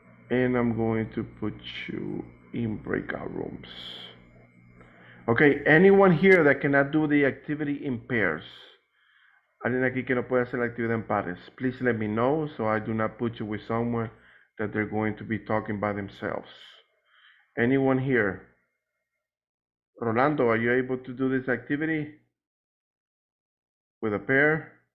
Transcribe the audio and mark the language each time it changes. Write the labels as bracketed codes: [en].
[en] And I'm going to put you in breakout rooms. Okay, anyone here that cannot do the activity in pairs? [es] Alguien aquí que no puede hacer la actividad en pares? [en] Please let me know so I do not put you with someone that they're going to be talking by themselves. Anyone here? Rolando, are you able to do this activity with a pair?